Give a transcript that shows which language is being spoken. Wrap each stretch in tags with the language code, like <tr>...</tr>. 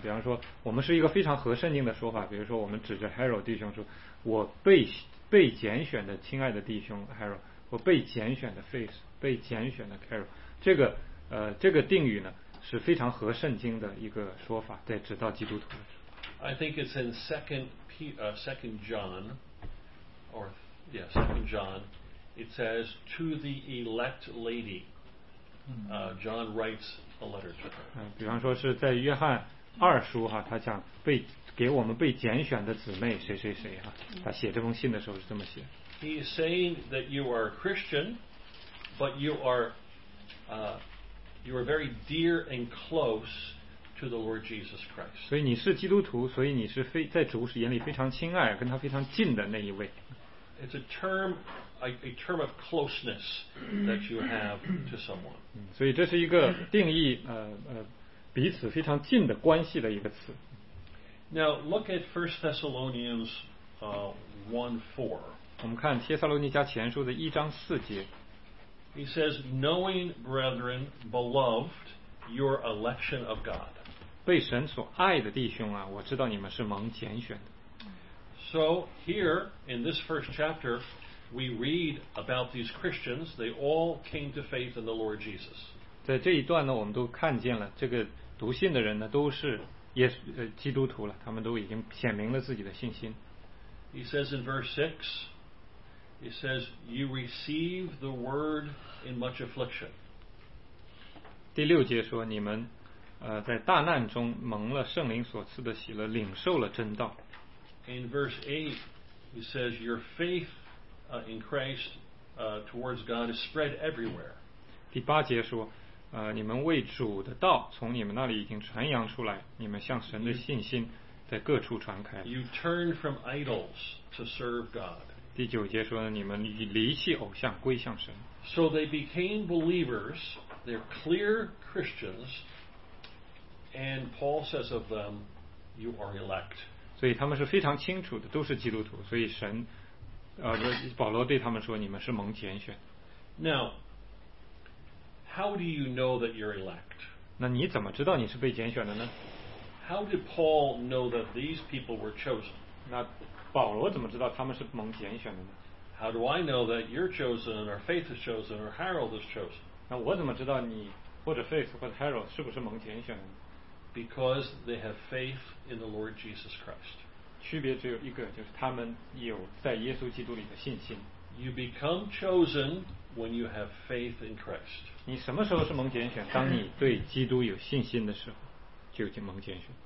<zh>比方说我们是一个非常合圣经的说法，比如说我们指着 Harold 弟兄说，我被拣选的亲爱的弟兄 Harold，我被拣选的 Faith，被拣选的 Carol， 这个定语呢是非常合圣经的一个说法，在指到基督徒。</zh> <en>I think it's in second John, or yeah, second John. It says to the elect lady. John writes a letter to her.</en> <zh>比方说是在约翰二书哈，他讲被给我们被拣选的姊妹谁谁谁哈，他写这封信的时候是这么写。</zh> <en>He is saying that you are a Christian. But you are very dear and close to the Lord Jesus Christ.</en> <zh>所以你是基督徒，所以你是非在主眼里非常亲爱，跟他非常近的那一位。</zh> <en>It's a term of closeness that you have to someone.</en> <zh>所以这是一个定义彼此非常近的关系的一个词。</zh> <en>Now look at 1 Thessalonians 1:4.</en> <zh>我们看帖撒罗尼迦前书的一章四节。</zh> <en>He says, knowing, brethren, beloved, your election of God.</en> <zh>被神所爱的弟兄啊，我知道你们是蒙拣选的。</zh> <en>So here in this first chapter, we read about these Christians. They all came to faith in the Lord Jesus.</en> <zh>在这一段呢，我们都看见了，这个读信的人呢，都是也基督徒了，他们都已经显明了自己的信心。</zh> <en>He says in verse 6,It says, you receive the word in much affliction.</en> <zh>第六节说你们在大难中蒙了圣灵所赐的喜乐，领受了真道。</zh> <en>In verse 8, it says, your faith in Christ towards God is spread everywhere.</en> <zh>第八节说你们为主的道从你们那里已经传扬出来，你们向神的信心在各处传开。</zh> <en>You turn from idols to serve God.</en> <zh>第九节说呢，你们离弃偶像，归向神。</zh> <en>So they became believers; they're clear Christians, and Paul says of them, "You are elect."</en> <zh>所以他们是非常清楚的，都是基督徒。所以神，保罗对他们说，你们是蒙拣选。</zh> <en>Now, how do you know that you're elect?</en> <zh>那你怎么知道你是被拣选的呢</zh> <en>？How did Paul know that these people were chosen?</en> <zh>那保罗怎么知道他们是蒙拣选的呢</zh> <en>？How do I know that you're chosen, or Faith is chosen, or Harold is chosen?</en> <zh>那我怎么知道你或者 Faith 或者 Harold 是不是蒙拣选的呢</zh> <en>Because they have faith in the Lord Jesus Christ.</en> <zh>区别只有一个，就是他们有在耶稣基督里的信心。</zh> <en>You become chosen when you have faith in Christ.</en> <zh>你什么时候是蒙拣选？当你对基督有信心的时候，就已经蒙拣选。</zh>